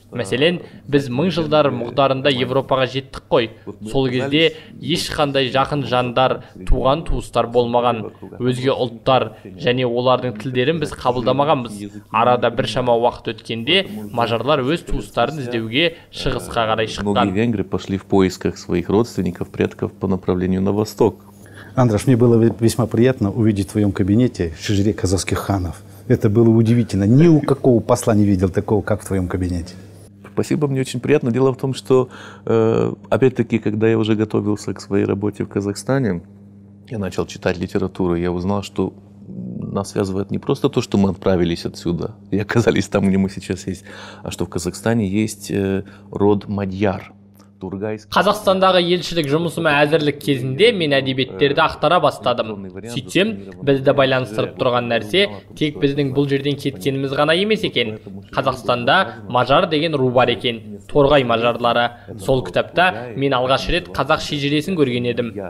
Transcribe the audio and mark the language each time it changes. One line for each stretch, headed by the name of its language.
Kazakh: Мәселен, біз 1000 жылдар мұқтарында Европаға жеттік қой. Сол кезде ешқандай жақын жандар, туған туыстар болмаған. Өзге ұлттар және олардың тілдерін біз қабылдамағанбыз. Арада біршама уақыт өткенде мажарлар өз туыстарын іздеуге шығысқа қарай шыққан.
Russian: Многие венгры пошли в поисках своих родственников, предков по направлению на восток. Андраш, мне было весьма приятно увидеть в твоем кабинете шежире казахских ханов. Это было удивительно. Ни у какого посла не видел такого, как в твоем кабинете. Спасибо, мне очень приятно. Дело в том, что, опять-таки, когда я уже готовился к своей работе в Казахстане, я начал читать литературу, я узнал, что нас связывает не просто то, что мы отправились отсюда и оказались там, где мы сейчас есть, а что в Казахстане есть род мадьяр.
Kazakh: Қазақстандағы елшілік жұмысыма әзірлік кезінде мен әдебиеттерді ақтара бастадым. Сөйтсем, бізді байланыстырып тұрған нәрсе тек біздің бұл жерден кеткеніміз ғана емес екен. Қазақстанда мажар деген ру бар екен, торғай мажарлары. Сол кітапта мен алғаш рет қазақ шежіресін көрген едім.